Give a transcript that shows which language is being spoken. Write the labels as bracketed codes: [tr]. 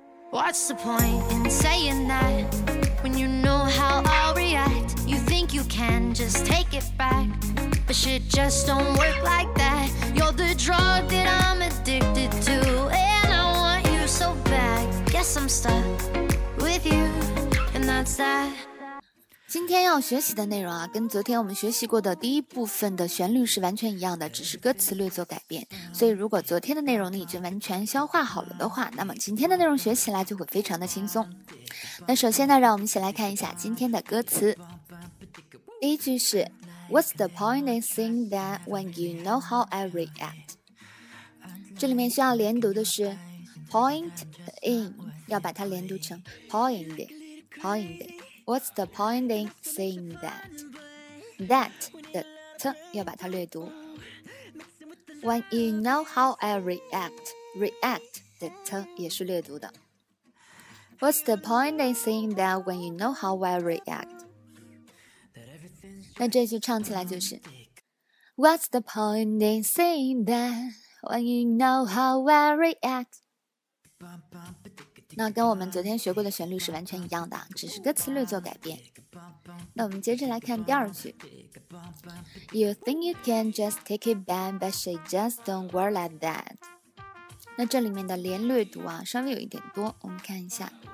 [en] What's the point in saying that when you know how I'll react? You think you can just take it back, but shit just don't work like that. You're the drug that I'm addicted to, and I want you so bad. Guess I'm stuck with you, and that's that. [zh] 今天要学习的内容啊，跟昨天我们学习过的第一部分的旋律是完全一样的，只是歌词略作改变。所以如果昨天的内容你已经完全消化好了的话，那么今天的内容学起来就会非常的轻松。那首先呢，让我们一起来看一下今天的歌词。第一句是 [en] What's the point in saying that when you know how I react? [zh] 这里面需要连读的是 [en] Point in， [zh] 要把它连读成 Point in， Point in。 [en] What's the point in saying that? [zh] That 的 t 要把它略读。 [en] When you know how I react, [zh] react 的 t 也是略读的。 [en] What's the point in saying that when you know how I react? [zh] 那这句唱起来就是 [en] What's the point in saying that when you know how I react? [zh] 那跟我们昨天学过的旋律是完全一样的，只是歌词略作改变。那我们接着来看第二句。 [en] You think you can just take it back, but she just don't work like that. [zh] 那这里面的连略读啊，稍微有一点多，我们看一下。